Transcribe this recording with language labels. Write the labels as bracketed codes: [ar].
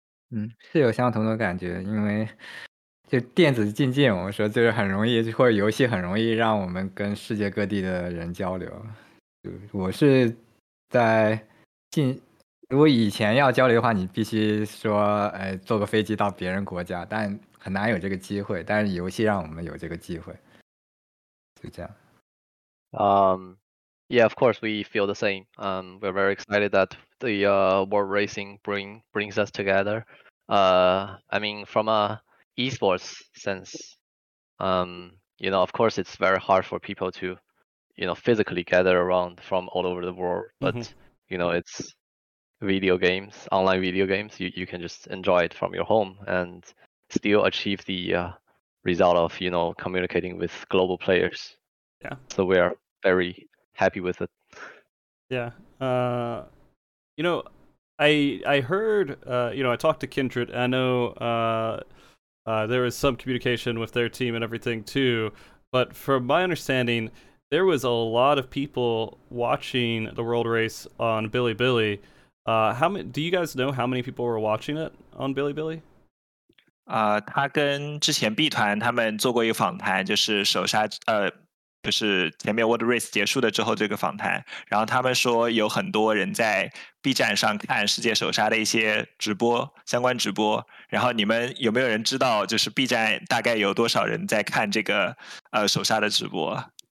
[zh] 嗯，是有相同的感觉，因为就电子竞技，我说就是很容易，或者游戏很容易让我们跟世界各地的人交流。我是在进，如果以前要交流的话，你必须说，坐个飞机到别人国家，但很难有这个机会。但是游戏让我们有这个机会，就这样。 [en] Yeah, of course, we feel the same. We're very excited that the world racing brings us together. I mean, from a esports sense, you know, of course, it's very hard for people to. You know, physically gather around from all over the world, but you know, it's video games, online video games. You can just enjoy it from your home and still achieve the result of, you know, communicating with global players. Yeah. So we are very happy with it. Yeah. You know, I heard, you know, I talked to Kindred. I know there was some communication with their team and everything too, but from my understanding,there was a lot of people watching the world race on Bilibili. Do you guys know how many people were watching it on Bilibili? [zh] 他跟之前 B 团他们做过一个访谈，就是手杀，就是前面 World Race 结束的之后这个访谈，然后他们说有很多人在 B 站上看世界手杀的一些直播，相关直播。然后你们有没有人知道，就是 B 站大概有多少人在看这个手杀的直播？